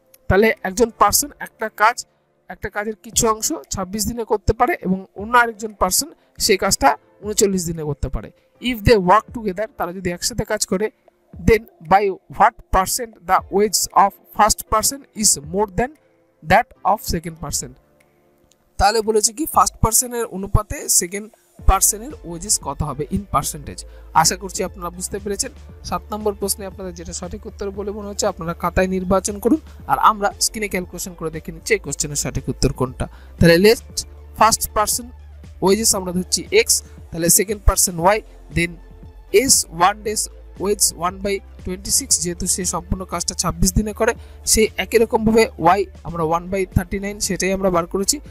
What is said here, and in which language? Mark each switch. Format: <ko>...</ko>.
<bn>তাহলে একজন পার্সন একটা কাজের কিছু অংশ 26 দিনে করতে পারে এবং অন্য আরেকজন পার্সন সেই কাজটা 39 দিনে করতে পারে।</bn> <en>if they work together,</en> <bn>তারা যদি একসাথে কাজ করে,</bn> <en>then by what percent the wages of first person is more than that of second person.</en> <bn>তাহলে বলেছে কি ফার্স্ট পার্সনের অনুপাতে সেকেন্ড পার্সনের ওয়েজেস কত হবে</bn> <en>In percentage.</en> <bn>আশা করছি আপনারা বুঝতে পেরেছেন। সাত নম্বর প্রশ্নে আপনাদের যেটা সঠিক উত্তর বলে মনে হচ্ছে আপনারা খাতায় নির্বাচন করুন, আর আমরা স্ক্রিনে ক্যালকুলেশন করে দেখে নিচ্ছি এই কোশ্চেনের সঠিক উত্তর কোনটা। তাহলে লেট ফার্স্ট পার্সন ওয়েজেস আমরা ধরছি এক্স, তাহলে second person Y, then S one days wedge one by 26, যেহেতু সে সম্পূর্ণ কাজটা 26 দিনে করে, সে একই রকমভাবে ওয়াই আমরা 1/39 সেটাই আমরা বার করেছি।</bn>